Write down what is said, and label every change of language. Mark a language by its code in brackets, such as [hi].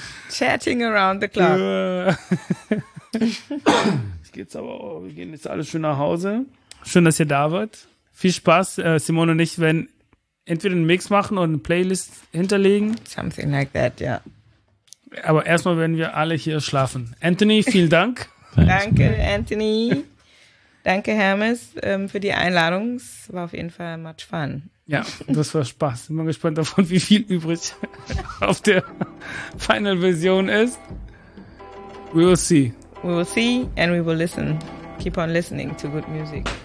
[en] Chatting around the clock. [de] Wir gehen jetzt alle schön nach Hause. Schön, dass ihr da wart. Viel Spaß, Simone und ich werden entweder einen Mix machen oder eine Playlist hinterlegen. [en] Something like that, [de] ja. Aber erstmal werden wir alle hier schlafen. Anthony, vielen Dank. Thanks, danke, man. Anthony. Danke, Hermes, für die Einladung. Es war auf jeden Fall [en] much fun. [de] Ja, das war Spaß. Bin mal gespannt davon, wie viel übrig auf der Final Version ist. [en] We will see. We will see and we will listen. Keep on listening to good music.